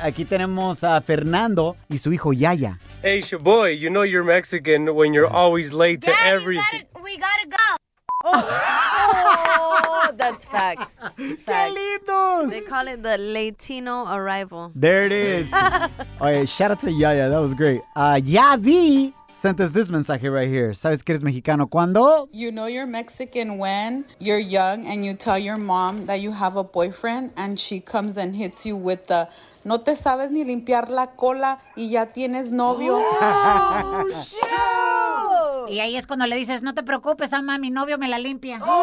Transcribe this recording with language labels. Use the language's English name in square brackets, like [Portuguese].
[Spanish] Aquí tenemos a Fernando y su hijo Yaya. [English] Hey, Shaboy, you know you're Mexican when you're always late to everything. Dad, we gotta go. Oh, that's facts. [Spanish] ¡Qué lindos! [English] They call it the Latino arrival. There it is. All right, shout out to Yaya. That was great. Yavi sent us this mensaje right here. [Spanish] ¿Sabes que eres mexicano cuando? [English] You know you're Mexican when you're young and you tell your mom that you have a boyfriend and she comes and hits you with the [Spanish] no te sabes ni limpiar la cola y ya tienes novio. [English] Oh, shit! [Spanish] Y ahí es cuando le dices, no te preocupes, ama, mi novio me la limpia.